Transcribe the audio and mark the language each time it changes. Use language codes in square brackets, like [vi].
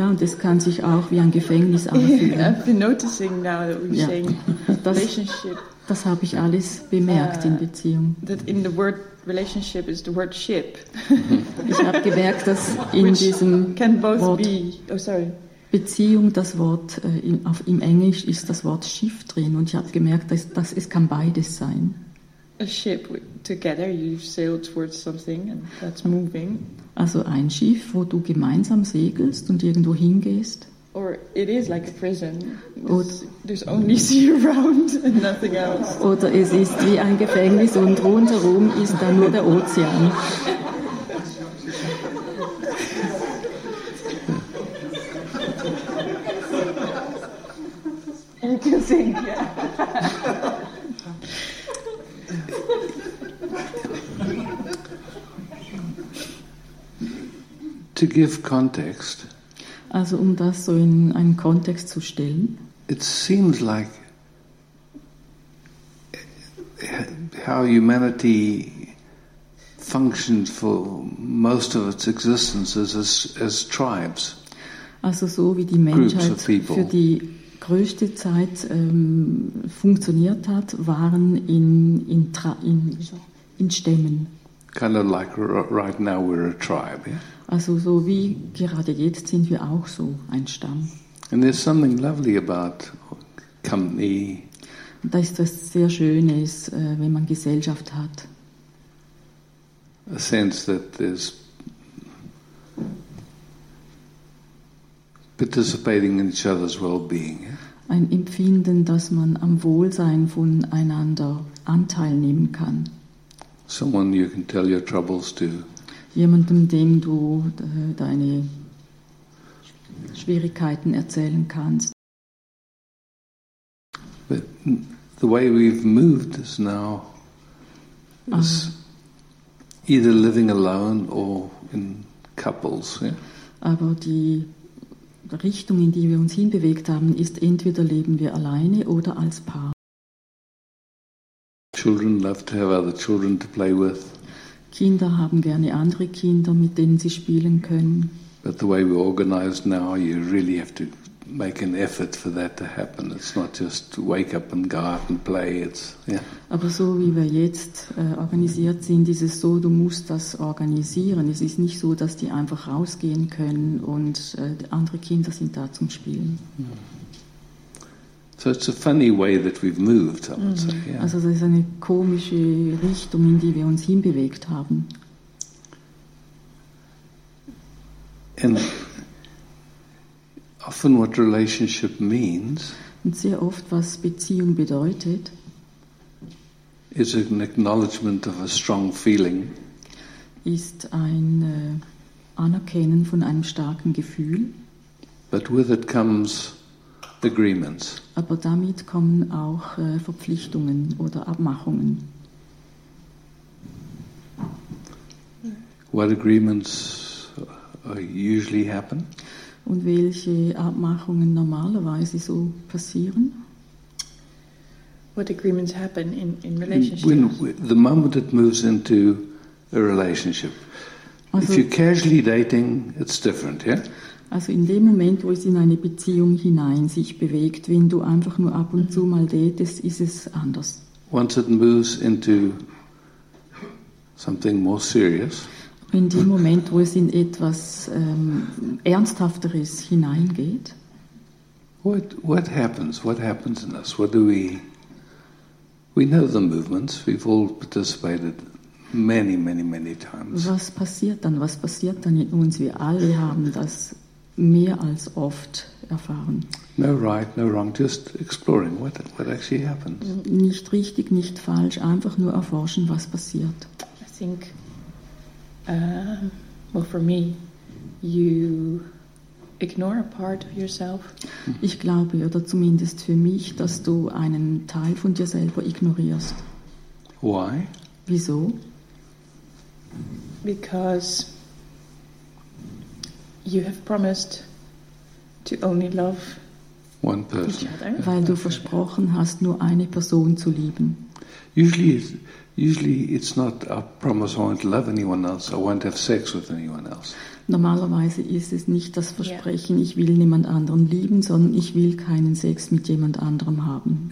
[de] Ja, und es kann sich auch wie ein Gefängnis anfühlen. [en] I've been noticing now that we're saying relationship. [de] Das habe ich alles bemerkt in Beziehung. [en] That in the word relationship is the word ship. [de] Ich habe gemerkt, dass in [en] which [de] diesem [en] can both [de] Wort [en] be. Oh, sorry. [de] Beziehung, das Wort im Englisch ist das Wort Schiff drin, und ich habe gemerkt, dass es kann beides sein. [en] A ship together, you sail towards something and that's moving. [de] Also ein Schiff, wo du gemeinsam segelst und irgendwo hingehst. [en] Or it is like a prison. There's only sea around and nothing else. [de] Oder es ist wie ein Gefängnis und rundherum ist dann nur der Ozean. [en] You can sing, yeah. To give context. [de] Also um das so in einen Kontext zu stellen. [en] It seems like how humanity functions for most of its existence is as tribes. [de] Also so wie die Menschheit für die größte Zeit funktioniert hat, waren in Stämmen. [en] Kind of like right now we're a tribe, yeah? [de] Also so wie gerade jetzt sind wir auch so ein Stamm. [en] And there's something lovely about company. [de] Da ist was sehr Schönes, wenn man Gesellschaft hat. [en] A sense that there's participating in each other's well-being. [de] Ein Empfinden, dass man am Wohlsein voneinander Anteil nehmen kann. [en] Someone you can tell your troubles to. [de] Jemandem, dem du deine Schwierigkeiten erzählen kannst. [en] But the way we've moved is now is either living alone or in couples. Yeah? [de] Aber die Richtung, in die wir uns hinbewegt haben, ist entweder leben wir alleine oder als Paar. [en] Children love to have other children to play with. [de] Kinder haben gerne andere Kinder, mit denen sie spielen können. [en] But the way we organize now, you really have to make an effort for that to happen. It's not just wake up and go out and play. It's, yeah. [de] Aber so wie wir jetzt organisiert sind, ist es so, du musst das organisieren. Es ist nicht so, dass die einfach rausgehen können und andere Kinder sind da zum Spielen. [en] So it's a funny way that we've moved, I would say. Yeah. [de] Also das ist eine komische Richtung, in die wir uns hinbewegt haben. [en] And often what relationship means, [de] und sehr oft, was Beziehung bedeutet, [en] is an acknowledgement of a strong feeling, [de] ist ein Anerkennen von einem starken Gefühl. [en] But with it comes agreements. [de] Aber damit kommen auch Verpflichtungen oder Abmachungen. [en] What agreements usually happen? [de] Und welche Abmachungen normalerweise so passieren? [en] What agreements happen in relationships? When the moment it moves into a relationship. Also, if you're casually dating, it's different, yeah? [de] Also in dem Moment, wo es in eine Beziehung hinein sich bewegt, wenn du einfach nur ab und zu mal datest, ist es anders. [en] Once it moves into something more serious. [de] In dem Moment, wo es in etwas Ernsthafteres hineingeht. [en] What happens in us? What do we know the movements, we've all participated many, many, many times. [de] Was passiert dann? Was passiert dann in uns? Wir alle haben das mehr als oft erfahren. [en] No right, no wrong, just exploring what actually happens. [de] Nicht richtig, nicht falsch, einfach nur erforschen, was passiert. [en] I think, well, for me, you ignore a part of yourself. [de] Ich glaube, oder zumindest für mich, dass du einen Teil von dir selber ignorierst. [en] Why? [de] Wieso? [en] Because you have promised to only love one person. Each other. [de] Weil du versprochen hast, nur eine Person zu lieben. [en] Usually it's not a promise, I won't love anyone else, I won't have sex with anyone else. [de] Normalerweise ist es nicht das Versprechen, ich will niemand anderen lieben, sondern ich will keinen Sex mit jemand anderem haben.